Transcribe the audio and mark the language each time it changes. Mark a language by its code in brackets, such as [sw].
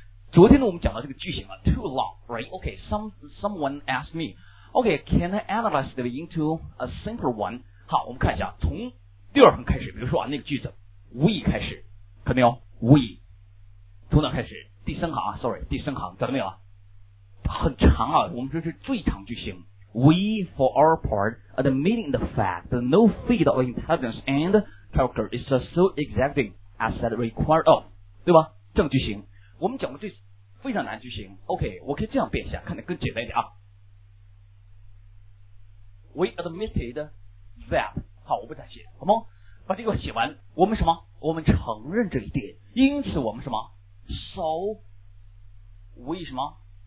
[en] 昨天呢，我们讲到这个句型啊，too long, right? Okay, someone asked me, okay, can I analyze it into a simpler one? [zh] 好，我们看一下，从第二行开始，比如说啊，那个句子 ，we 开始，看到没有 ？we 从哪开始？第三行啊 ，sorry， 第三行，看到没有？很长啊，我们说是最长句型。 [en] We, for our part, admitting the fact that no field of intelligence and character is so exacting as that required of, 对吧？ [zh] 这样句型，我们讲过这非常难句型。OK， 我可以这样变一下，看得更简单一点啊。 We admitted that，好，我不再写，好吗？把这个写完，我们什么？我们承认这一点，因此我们什么 ？So we 什么？